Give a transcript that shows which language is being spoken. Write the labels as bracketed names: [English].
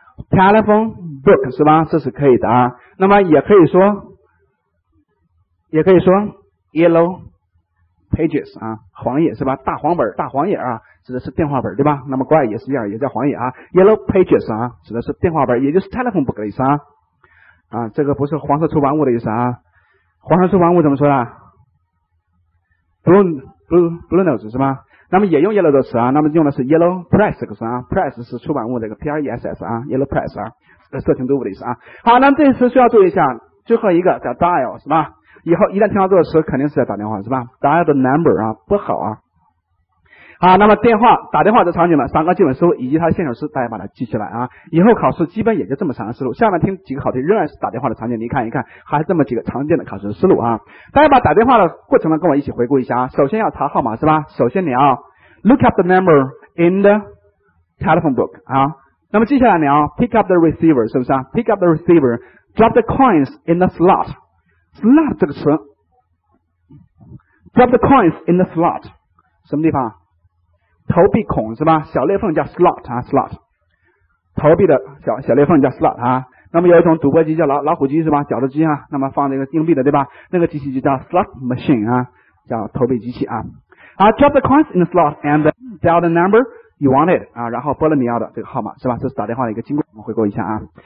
[Chinese] telephone book 是吧，这是可以的啊。那么也可以说 yellow pages 啊，黄页是吧，大黄本大黄页啊，指的是电话本对吧。那么国外也是一样，也叫黄页啊， yellow pages 啊，指的是电话本，也就是 telephone book 的意思啊。啊，这个不是黄色出版物的意思啊，黄色出版物怎么说的？ blue notes 是吧。那么也用 yellow 的词啊，那么用的是 yellow press 这个词啊， press 是出版物的一个 p-r-e-s-s 啊， yellow press 啊，色情读物的意思啊。好，那么这一词需要注意一下，最后一个叫 dial 是吧，以后一旦听到这个词肯定是在打电话是吧， dial the number 啊，不好啊。啊，那么电话打电话的场景呢，三个基本思路以及它的线索思路，大家把它记起来啊。以后考试基本也就这么三个思路。下面听几个考题，仍然是打电话的场景，你看一看，还是这么几个常见的考试思路啊。大家把打电话的过程呢，跟我一起回顾一下啊。首先要查号码是吧？首先你要 [English] look up the number in the telephone book 啊。 [Chinese] 那么接下来你要 [English] pick up the receiver 是不是啊 ？Pick up the receiver, drop the coins in the slot. Slot 这个词 ，drop the coins in the slot 什么地方？ [Chinese] 投币孔是吧？小裂缝叫 slot 啊 ，slot 投币的小裂缝叫 slot 啊。那么有一种赌博机叫老虎机是吧？绞肉机啊，那么放那个硬币的对吧？那个机器就叫 slot machine 啊，叫投币机器啊。 [English] 啊 ，drop the coins in the slot and dial the number you wanted 啊， [Chinese] 然后拨了你要的这个号码是吧？这是打电话的一个经过，我们回顾一下啊。